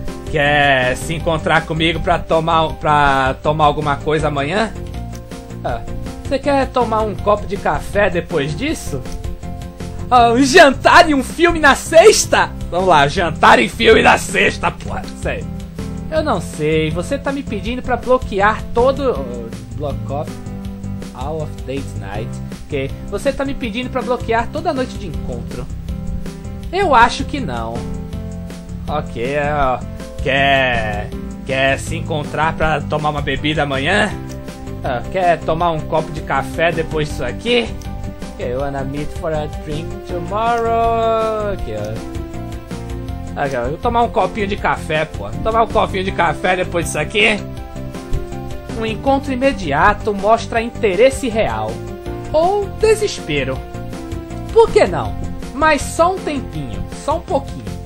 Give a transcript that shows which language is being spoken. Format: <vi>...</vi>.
<pt>Quer se encontrar comigo pra tomar alguma coisa amanhã? Você quer tomar um copo de café depois disso? Um jantar e um filme na sexta? Vamos lá, jantar e filme na sexta, porra. Isso aí. Eu não sei, você tá me pedindo pra bloquear todo...</pt> <en>Block off all of date night.</en> <pt>Ok, você tá me pedindo pra bloquear toda a noite de encontro. Eu acho que não. Ok, quer se encontrar pra tomar uma bebida amanhã? Quer tomar um copo de café depois disso aqui?</pt> <en>Okay, wanna meet for a drink tomorrow?</en> <pt>Okay, eu vou tomar um copinho de café, pô. Tomar um copinho de café depois disso aqui? Um encontro imediato mostra interesse real. Ou desespero. Por que não? Mas só um tempinho, só um pouquinho.</pt>